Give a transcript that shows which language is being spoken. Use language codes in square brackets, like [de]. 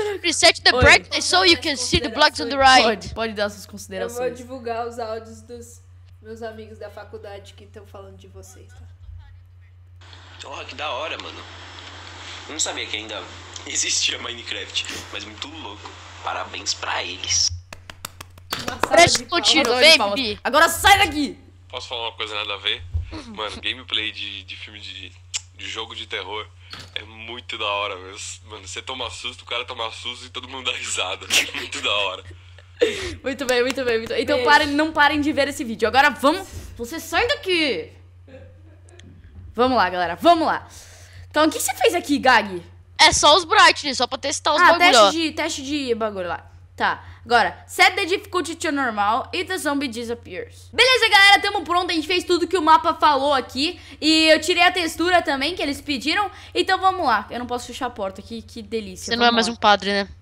[en] Reset the brightness so you can see the blocks on the right. [pt] Pode dar essas considerações. Eu vou divulgar os áudios dos meus amigos da faculdade que estão falando de vocês. Ó, que da hora, mano. Eu não sabia que ainda existia Minecraft, mas muito louco. Parabéns pra eles. Preste um tiro, vem, Bibi. Agora sai daqui. Posso falar uma coisa nada a ver? Mano, gameplay de filme de jogo de terror é muito da hora, mesmo. Mano, você toma susto, o cara toma susto e todo mundo dá risada. Muito da hora. Muito bem, muito bem. Muito... Então parem, não parem de ver esse vídeo. Agora vamos... Você sai daqui. Vamos lá, galera. Vamos lá. Então, o que você fez aqui, Gag? É só os brightness, só pra testar os bagulho. Teste de bagulho lá. Tá. [en] Agora, set the difficulty to normal e the zombie disappears. [pt] Beleza, galera, tamo pronto, a gente fez tudo que o mapa falou aqui. E eu tirei a textura também, que eles pediram. Então vamos lá, eu não posso fechar a porta, que delícia. Você não é mais um padre, né?